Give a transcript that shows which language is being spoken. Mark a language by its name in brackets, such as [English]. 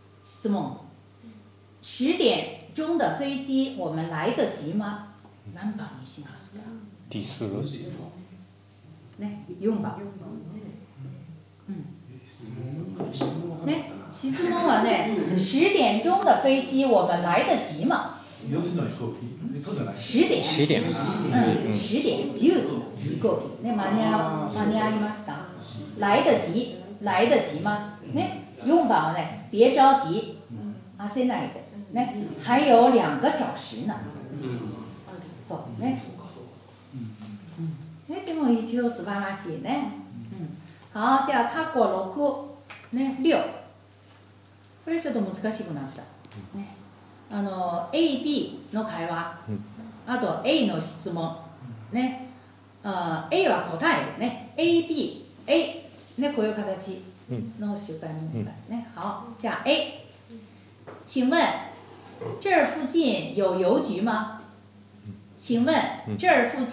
[Chinese] 思梦，十点钟的飞机我们来得及吗？ [Japanese] 何番にしますか？ [Chinese] 第四个。 [Japanese] 四番。ね、四番。ね、質問はね、 [Chinese] 十点钟的飞机我们来得及吗？十点，十点，十点， [Japanese] 十時飛行機，ね、間に合いますか？ [Chinese] 来得及，来得及吗？ [Japanese] ね、四番ね、 [Chinese] 别着急， [Japanese] 焦らないで，ね、 [Chinese] 还有两个小时呢。 [Japanese] そうね。え、でも一応素晴らしいね。 [Chinese] 好、 [Japanese] じゃあ過去六、ね、六。これちょっと難しくなった。ね。あの A、B の会話、あと A の質問、ね、A は答えるね、A、B、A、ね、こういう形の習慣問題ね。 [Chinese] 好、じゃあ A、请问这附近有邮局吗？请问这附近有邮局吗？B、有，